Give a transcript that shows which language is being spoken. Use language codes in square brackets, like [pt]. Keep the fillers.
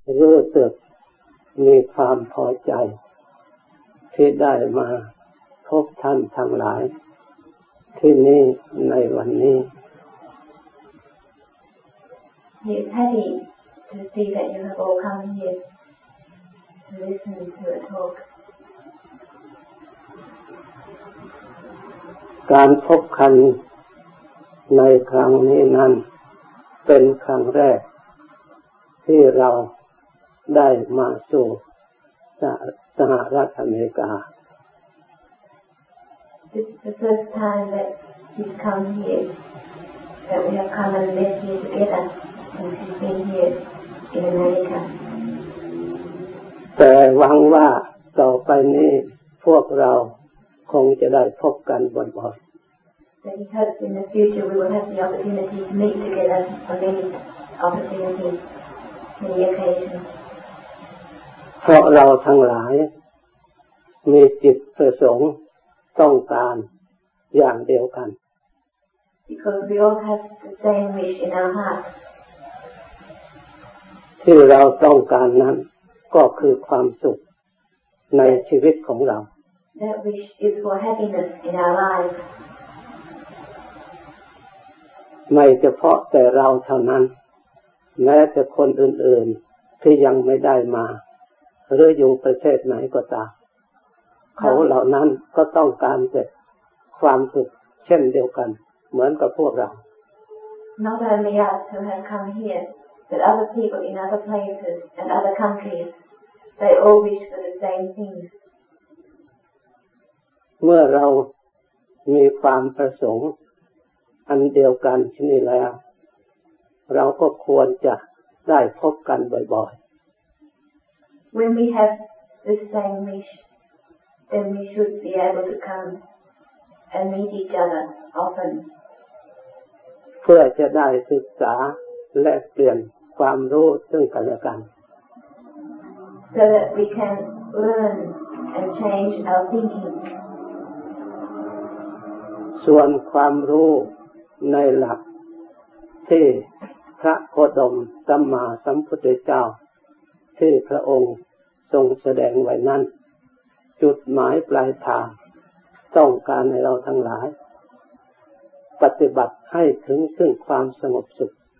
[th] รู้สึกมีความพอใจ ที่ได้มาพบท่านทั้งหลาย ที่นี่ในวันนี้ [en] It's heavy to see that you have all come here to listen to a talk. [th] การพบกันในครั้งนี้นั้น เป็นครั้งแรก ที่เราได้มาสู่สหสหรัฐอเมริกา [en] This is the first time that you've come here, that we have come and lived here together since you've been here in America. [th] แต่หวังว่าต่อไปนี้พวกเราคงจะได้พบกันบ่อย [en] But he hopes in the future we will have the opportunity to meet together on many opportunities, many occasions, [th] ๆ เพราะเราทั้งหลาย มีจิตประสงค์ต้องการอย่างเดียวกัน [en] because we all have the same wish in our hearts. [th] ที่เราต้องการนั้นก็คือความสุขในชีวิตของเรา [en] That wish is for happiness in our lives, [th] ไม่เฉพาะแต่เราเท่านั้น แม้แต่คนอื่นๆที่ยังไม่ได้มา หรืออยู่ประเทศไหนก็ตามเขาเหล่านั้นก็ต้องการแต่ความสุขเช่นเดียวกัน เหมือนกับพวกเรา [en] not only us who have come here, but other people in other places and other countries. They all wish for the same thing. [th] เมื่อเรามีความประสงค์ อันเดียวกันชนิดแล้ว เราก็ควรจะได้พบกันบ่อย [en] When we have the same wish, then we should be able to come and meet each other often [th] ๆ เพื่อจะได้ศึกษาและเปลี่ยนความรู้ซึ่งกันและกัน [en] so that we can learn and change our thinking. [th] ส่วนความรู้ในหลักที่พระโคดมสัมมาสัมพุทธเจ้า ที่พระองค์ทรงแสดงไว้นั้น จุดหมายปลายทาง ต้องการให้เราทั้งหลาย ปฏิบัติให้ถึงซึ่งความสงบสุข